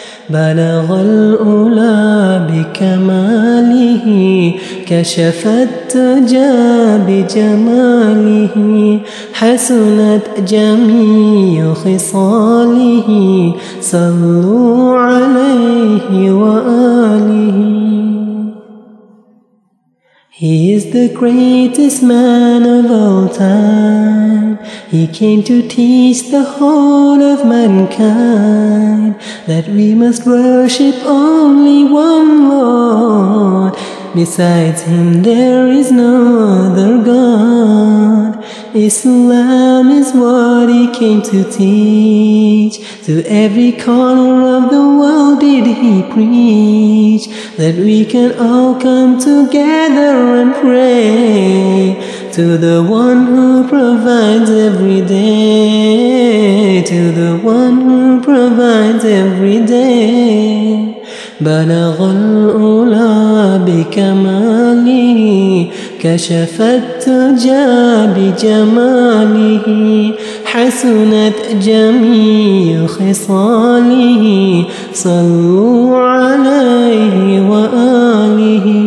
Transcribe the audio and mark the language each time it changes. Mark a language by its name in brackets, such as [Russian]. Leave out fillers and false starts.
[Arabic] بلغ الأولى بكماله كشف التجا بجماله حسنت جميع خصاله صلوا عليه وآله. [English] He is the greatest man of all time. He came to teach the whole of mankind that we must worship only one Lord. Besides him, there is no other God. Islam is what he came to teach. To every corner of the world did he preach that we can all come together and pray to the one who provides every day, to the one who provides every day. [Arabic] بلغ الأولى بكماله كشف التجا بجماله حسنت جميع خصاله صلوا عليه وآله.